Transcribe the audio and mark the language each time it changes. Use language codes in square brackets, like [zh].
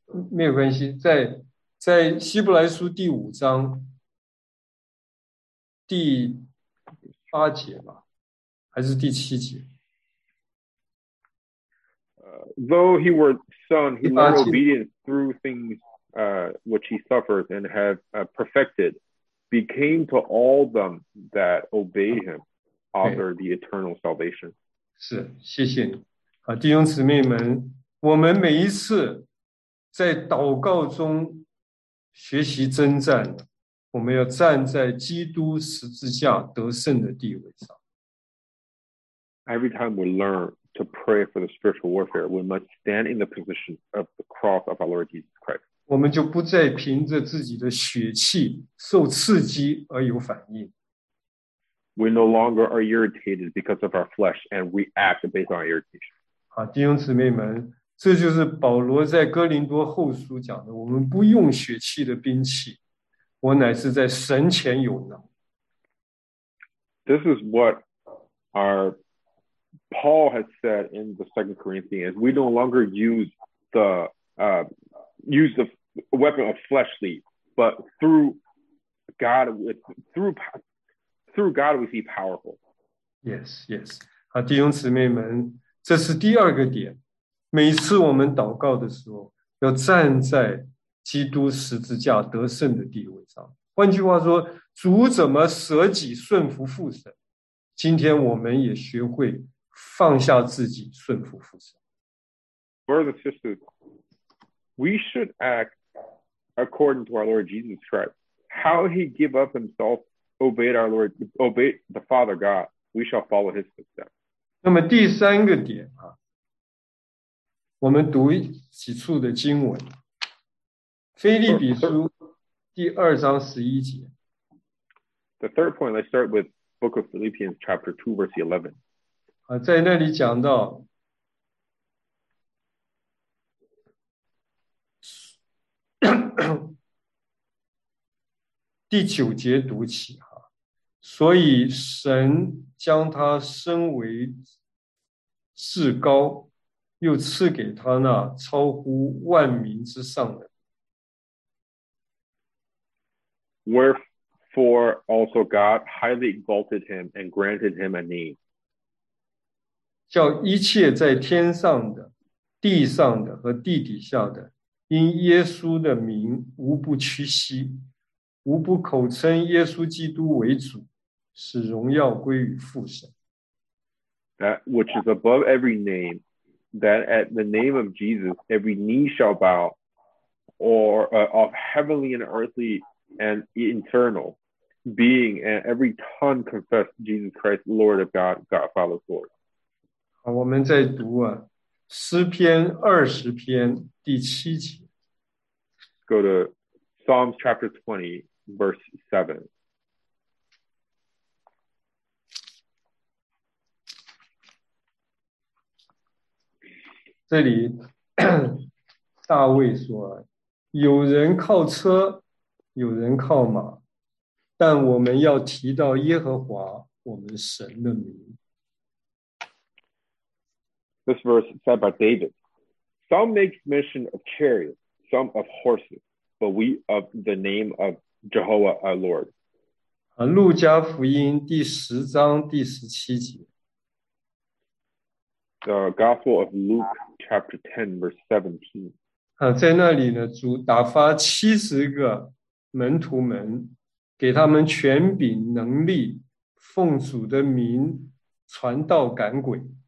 [zh] 没有关系，在希伯来书第五章第八节吧。还是第七节。 [en] Though he were son, he learned obedience through things which he suffered and have perfected, became to all them that obey him, author the eternal salvation. [zh] 是，谢谢你。弟兄姊妹们，我们每一次在祷告中学习征战，我们要站在基督十字架得胜的地位上。 [en] Every time we learn to pray for the spiritual warfare, we must stand in the position of the cross of our Lord Jesus Christ. [zh] 我们就不再凭着自己的血气受刺激而有反应。 [en] We no longer are irritated because of our flesh and react based on irritation. [zh] 弟兄姊妹们，这就是保罗在哥林多后书讲的，我们不用血气的兵器，我乃是在神前有能。 [en] This is what our Paul has said in the Second Corinthians, we no longer use the weapon of fleshly, but through God we see powerful. Yes, yes. [zh] 弟兄姊妹们，这是第二个点。每次我们祷告的时候，要站在基督十字架得胜的地位上。换句话说，主怎么舍己顺服父神？今天我们也学会放下自己，顺服父神。 [en] Brothers and sisters, we should act according to our Lord Jesus Christ. How he gave up himself, obeyed the Father God, we shall follow his footsteps. [zh] 那么第三个点啊，我们读几处的经文。腓立比书第二章十一节。 [en] The third point, let's start with Book of Philippians chapter 2, verse 11. [zh] 在那里讲到第九节读起，所以神将他升为至高，又赐给他那超乎万民之上的。 [en] Wherefore also God highly exalted him and granted him a name. [zh] 叫一切在天上的、地上的和地底下的，因耶稣的名无不屈膝，无不口称耶稣基督为主，使荣耀归于父神。 [en] That which is above every name, that at the name of Jesus every knee shall bow, or of heavenly and earthly and eternal, being and every tongue confess Jesus Christ, Lord of God, God follows Lord. [zh] 好，我们再读啊，诗篇二十篇第七节。 [en] Go to Psalms chapter 20, verse 7. [zh] 这里大卫说，有人靠车，有人靠马，但我们要提到耶和华我们神的名。 [en] This verse is said by David. Some make mention of chariots, some of horses, but we of the name of Jehovah our Lord. [zh] 路加福音第十章第十七节。 [en] The Gospel of Luke, chapter 10, verse 17. [zh] 在那里呢，主打发七十个门徒们，给他们权柄能力，奉主的名传道赶鬼。